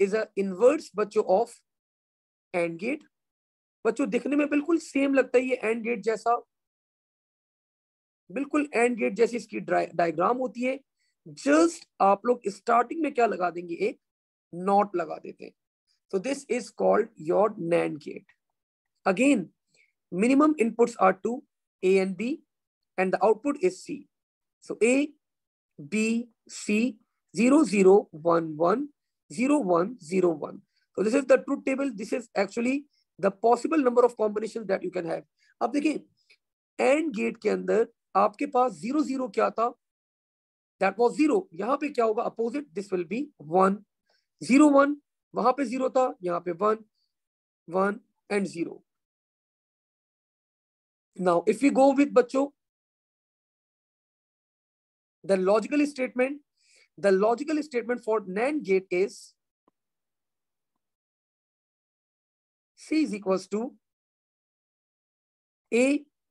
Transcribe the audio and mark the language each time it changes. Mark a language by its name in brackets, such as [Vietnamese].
[English] NAND gate is a inverse बच्चों of AND gate. [Hindi] बच्चों दिखने में बिल्कुल सेम लगता है ये AND gate जैसा, बिल्कुल AND gate जैसी इसकी डायग्राम होती है. जस्ट आप लोग स्टार्टिंग में क्या लगा देंगे, एक NOT लगा देते हैं. [English] So this is called your NAND gate. Again, minimum inputs are 2, A and B, and the output is C. So A, B, C, 0, 0, 1, 1, 0, 1, 0, 1. So this is the truth table. This is actually the possible number of combinations that you can have. [Hindi] अब देखें, AND gate के अंदर आपके पास 0, 0 क्या था? [English] That was 0. [Hindi] यहाँ पे क्या होगा? [English] Opposite, this will be 1. [Hindi] 0, 1, वहाँ पे 0 था, यहाँ पे 1, 1 and 0. [English] Now, if we go with बच्चों, The logical statement for NAND gate is C is equals to A